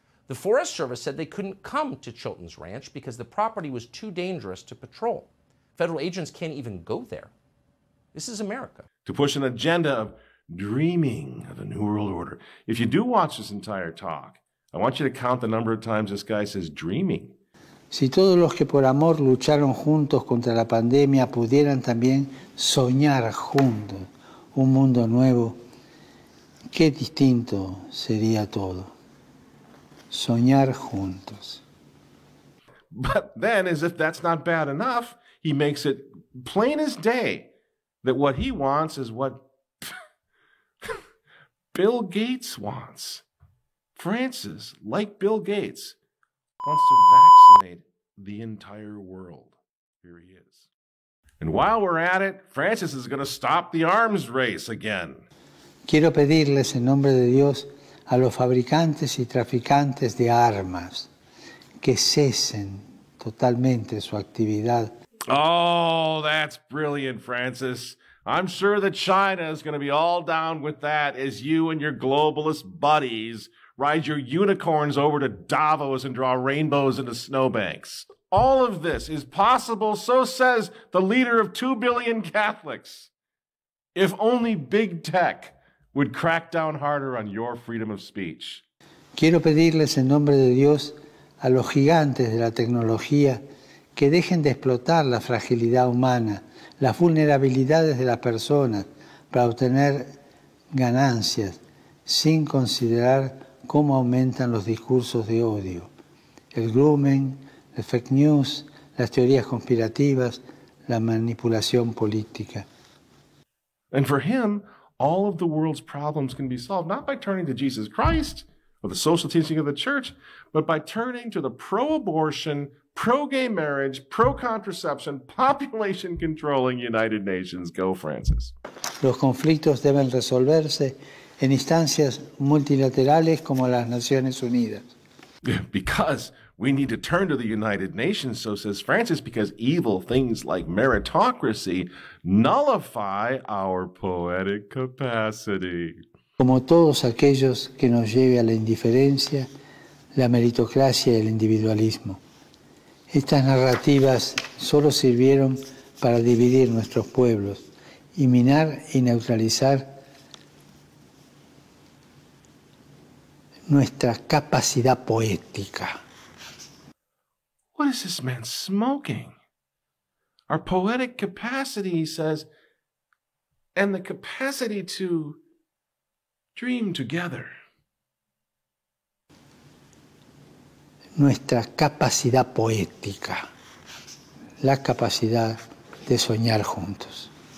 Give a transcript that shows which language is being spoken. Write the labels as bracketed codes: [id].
[en] The Forest Service said they couldn't come to Chilton's ranch because the property was too dangerous to patrol. Federal agents can't even go there. This is America. To push an agenda of dreaming of a new world order. If you do watch this entire talk, I want you to count the number of times this guy says dreaming. [es] Si todos los que por amor lucharon juntos contra la pandemia pudieran también soñar juntos un mundo nuevo, qué distinto sería todo. Soñar juntos. [en] But then, as if that's not bad enough, he makes it plain as day that what he wants is what Bill Gates wants. Francis, like Bill Gates, wants to vaccinate the entire world. Here he is. And while we're at it, Francis is going to stop the arms race again. [es] Quiero pedirles en nombre de Dios a los fabricantes y traficantes de armas que cesen totalmente su actividad. [en] Oh, that's brilliant, Francis. I'm sure that China is going to be all down with that as you and your globalist buddies ride your unicorns over to Davos and draw rainbows into snowbanks. All of this is possible, so says the leader of 2 billion Catholics. If only big tech would crack down harder on your freedom of speech. [es] Quiero pedirles en nombre de Dios a los gigantes de la tecnología que dejen de explotar la fragilidad humana, las vulnerabilidades de las personas para obtener ganancias sin considerar cómo aumentan los discursos de odio, el grooming, el fake news, las teorías conspirativas, la manipulación política. [en] And for him, all of the world's problems can be solved not by turning to Jesus Christ or the social teaching of the church, but by turning to the pro-abortion, pro-gay marriage, pro-contraception, population-controlling United Nations. Go, Francis. [es] Los conflictos deben resolverse en instancias multilaterales como las Naciones Unidas. [en] Because we need to turn to the United Nations, so says Francis, because evil things like meritocracy nullify our poetic capacity. [es] Como todos aquellos que nos lleve a la indiferencia, la meritocracia y el individualismo. Estas narrativas solo sirvieron para dividir nuestros pueblos y minar y neutralizar nuestra capacidad poética. [en] What is this man smoking? Our poetic capacity, he says, and the capacity to dream together. [es] Nuestra capacidad poética. La capacidad de soñar juntos.